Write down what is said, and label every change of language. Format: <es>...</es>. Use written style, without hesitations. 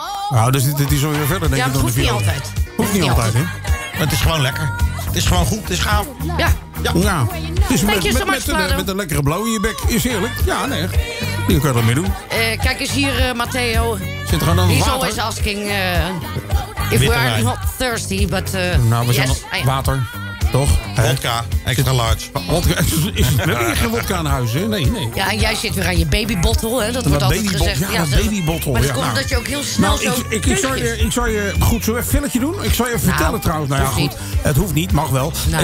<nl>Nou, dus dit is alweer verder, denk ik, dan de viool. Ja, hoeft niet altijd. Hoeft niet altijd, hè? Het is gewoon lekker. Het is gewoon goed, het is gaaf. Ja. Ja. Het is met een lekkere blauw in je bek, is eerlijk. Ja, nee. Hier kan je dat mee doen. Kijk eens hier, Matteo. Zit er gewoon aan het water?</nl> <en>He's always asking if we are not thirsty, but</en> <nl>we zijn water, toch? Wodka, extra large. Wodka, is het wel geen wodka in huis, hè? Nee, nee. Ja, en jij zit weer aan je babybottle, hè? Dat wordt altijd gezegd. Ja, dat babybottle, maar dat komt omdat je ook heel snel Ik zou je... Goed, zullen we even een filletje doen? Ik zou je vertellen trouwens. Nou ja, goed. Het hoeft niet, mag wel. Nou.</nl>